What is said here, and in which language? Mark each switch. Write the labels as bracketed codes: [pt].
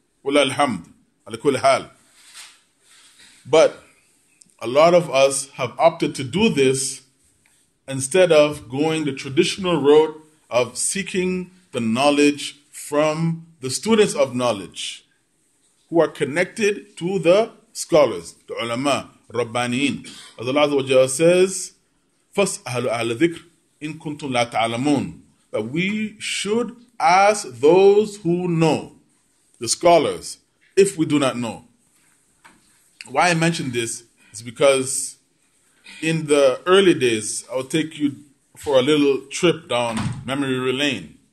[ar] Wallah alhamd, ala kul hal. [en] But a lot of us have opted to do this instead of going the traditional route of seeking the knowledge from the students of knowledge who are connected to the scholars, the ulama, rabbaniin. As Allah Azza wa Jalla says, [ar] فَاسْأَلُوا أَهْلَ ذِكْرِ إِن كُنْتُمْ لَا تَعْلَمُونَ. [en] That we should ask those who know, the scholars, if we do not know. Why I mention this is because in the early days, I'll take you for a little trip down memory lane.